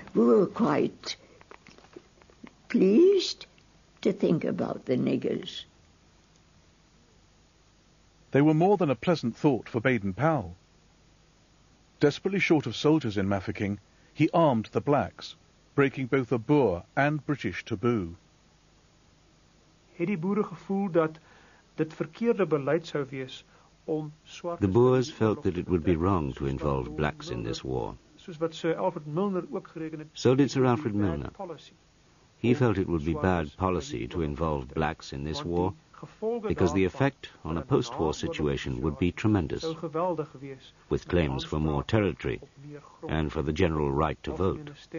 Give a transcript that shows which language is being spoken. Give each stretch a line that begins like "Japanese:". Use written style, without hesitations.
English: We were quite pleased to think about the niggers. They were more than a pleasant thought for Baden-Powell. Desperately short of soldiers in Mafeking, he armed the blacks, breaking both a Boer and British taboo.
Afrikaans: Het die boere gevoel dat dit verkeerde beleid sou wees.
English: The Boers felt that it would be wrong to involve blacks in this war. So did Sir Alfred Milner. He felt it would be bad policy to involve blacks in this war because the effect on a post-war situation would be tremendous, with claims for more territory and for the general right to vote.